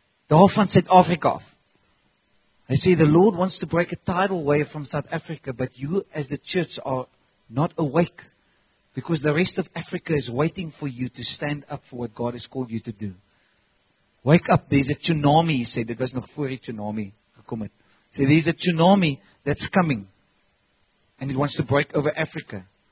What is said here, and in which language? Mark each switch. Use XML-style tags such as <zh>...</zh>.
<af>Daar van Suid-Afrika af.</af> <en>I say, the Lord wants to break a tidal wave from South Africa, but you as the church are not awake because the rest of Africa is waiting for you to stand up for what God has called you to do. Wake up, there's a tsunami, he said.</en> <af>Dit was nog voor die tsunami gekom het.</af> <en>So there's a tsunami that's coming and it wants to break over Africa.</en>